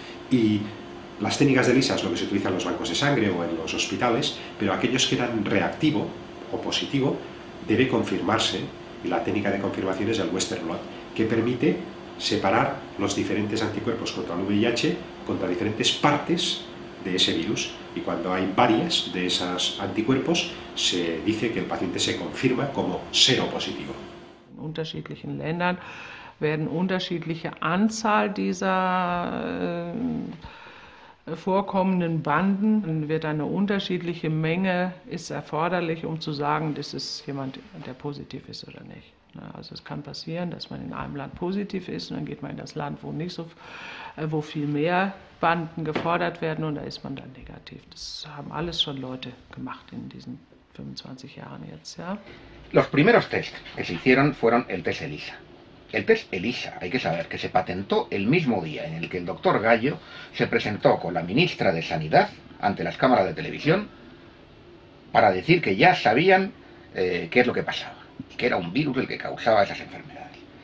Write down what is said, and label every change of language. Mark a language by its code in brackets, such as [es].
[es] Y las técnicas de ELISA es lo que se utiliza en los bancos de sangre o en los hospitales, pero aquellos que eran reactivo o positivo debe confirmarse, y la técnica de confirmación es el Western blot, que permite separar los diferentes anticuerpos contra el VIH contra diferentes partes de ese virus, y cuando hay varias de esos anticuerpos se dice que el paciente se confirma como seropositivo. [de] En unterschiedlichen Ländern werden unterschiedliche Anzahl dieser vorkommenden Banden, dann wird eine unterschiedliche Menge ist erforderlich, um zu sagen, das ist jemand, der positiv ist oder nicht. Also es kann passieren, dass man in einem Land positiv ist und dann geht man in das Land, wo nicht so, wo viel mehr Banden gefordert werden und da ist man dann negativ. Das haben alles schon Leute gemacht in diesen 25 Jahren jetzt, ja. [es] Los primeros test que se hicieron fueron el test ELISA. El test ELISA, hay que saber, que se patentó el mismo día en el que el doctor Gallo se presentó con la ministra de Sanidad ante las cámaras de televisión para decir que ya sabían qué es lo que pasaba, que era un virus el que causaba esas enfermedades.